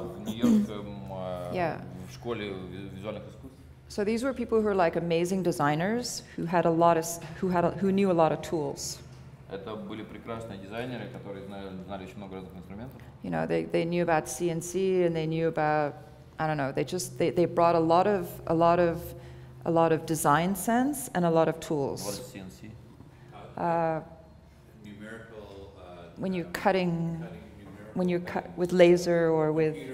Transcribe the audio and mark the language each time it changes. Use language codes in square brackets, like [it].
[ru] В нью-йоркском в школе визуальных искусств. [en] So these were people who were like amazing designers who had a lot of who knew a lot of tools. [ru] Это были прекрасные дизайнеры, которые знали очень много разных инструментов. [en] You know, they knew about CNC, and they knew about, I don't know, they brought a lot of design sense and a lot of tools. What is CNC? Numerical. When you're cutting, numerical, when you cut with laser or with,